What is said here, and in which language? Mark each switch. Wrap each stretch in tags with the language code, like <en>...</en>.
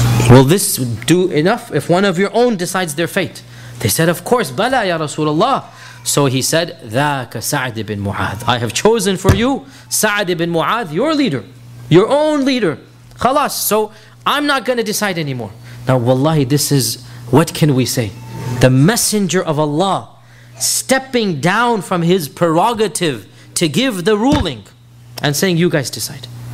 <en>Will this do enough if one of your own decides their fate? They said, of course,</en> <ar>bala ya Rasulullah.</ar> <en>So he said,</en> <ar>ذَاكَ سَعْدِ بِن مُعَاذ.</ar> <en>I have chosen for you Sa'd ibn Mu'adh, your leader, your own leader.</en> <ar>خلاص.</ar> <en>So I'm not going to decide anymore. Now wallahi, this is, what can we say? The messenger of Allah stepping down from his prerogative to give the ruling and saying, you guys decide.</en>